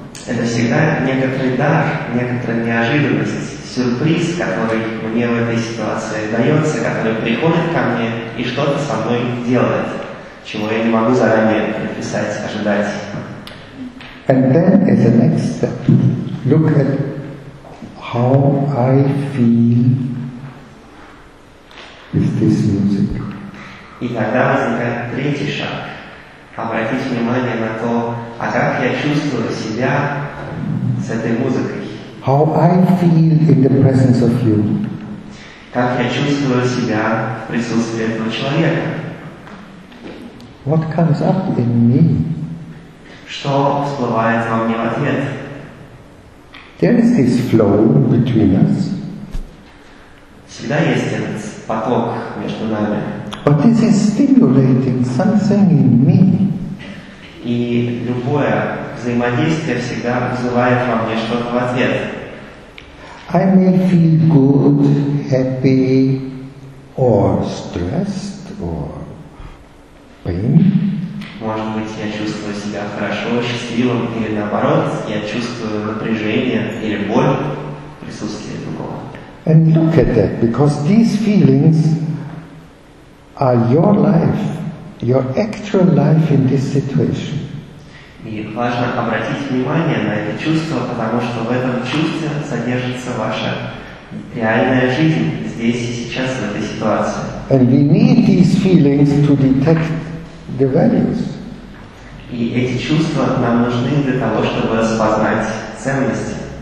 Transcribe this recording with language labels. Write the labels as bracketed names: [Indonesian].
[Russian] Это всегда некоторый дар, некоторая неожиданность, сюрприз, который мне в этой ситуации дается, который приходит ко мне и что-то со мной делает, чего я не могу заранее предписать, ожидать. [English] And then is the next step. Look at how I feel with this music. [Russian] И тогда возникает третий шаг. Обратить внимание на то, а как я чувствую себя с этой музыкой. [English] How I feel in the presence of you. [Russian] Как я чувствую себя в присутствии этого человека. [English] What comes up in me? [Russian] Что всплывает во мне в ответ? [English] There is this flow between us. [Russian] Всегда есть этот поток между нами. [English] But this is stimulating something in me. [Russian] И любое взаимодействие всегда вызывает во мне что-то в ответ. [English] I may feel good, happy, or stressed, or pain. [Russian] Может быть, я чувствую себя хорошо, счастливым, или наоборот, я чувствую напряжение или боль в присутствии другого. [English] And look at that, because these feelings are your life, your actual life in this situation. [Russian] И важно обратить внимание на это чувство, потому что в этом чувстве содержится ваша реальная жизнь здесь и сейчас в этой ситуации. [English] And we need these feelings to detect the values. [Russian] И эти чувства нам нужны для того, чтобы распознать ценности.